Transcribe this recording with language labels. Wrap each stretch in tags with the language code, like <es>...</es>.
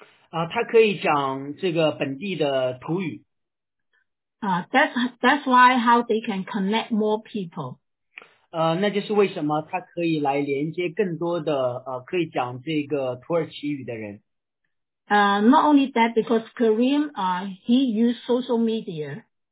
<zh>他可以讲这个本地的土语。</zh> <en>That's why how they can connect more people.</en> <zh>那就是为什么他可以来连接更多的可以讲这个土耳其语的人。</zh> <en>Not only that, because Karim, he used social media.</en>